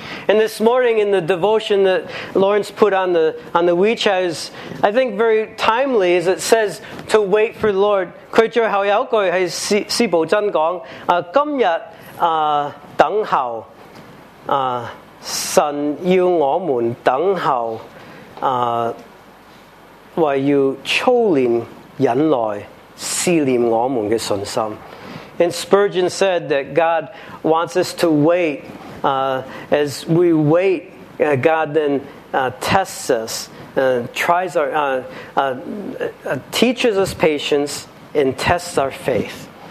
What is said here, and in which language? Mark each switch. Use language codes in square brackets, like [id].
[en] And this morning in the devotion that Lawrence put on the WeChat is, I think, very timely, as it says to wait for the Lord. [zh] 他最后有一句是施宝珍讲，今日等候，神要我们等候，为要操练忍耐。 [en] And Spurgeon said that God wants us to wait. As we wait, God then tests us, teaches us patience, and tests our faith.